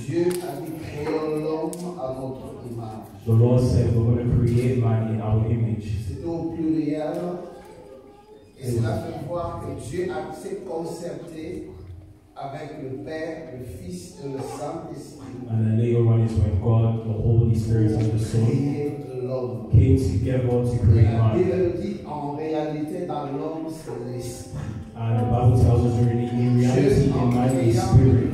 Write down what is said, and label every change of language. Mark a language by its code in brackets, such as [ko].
[fr] Dieu a dit, créons l'homme à notre image. [en] The Lord said, we're going to create man in our image. [fr] C'est au pluriel. Et cela fait voir que Dieu a s'est concerté avec le Père, le Fils et le Saint-Esprit. [en] And then later on is when God, the Holy Spirit and the Son came together to create man. [fr] Et la Bible dit, en réalité, dans l'homme, c'est l'Esprit. [en] And the Bible tells us really in reality in man is spirit.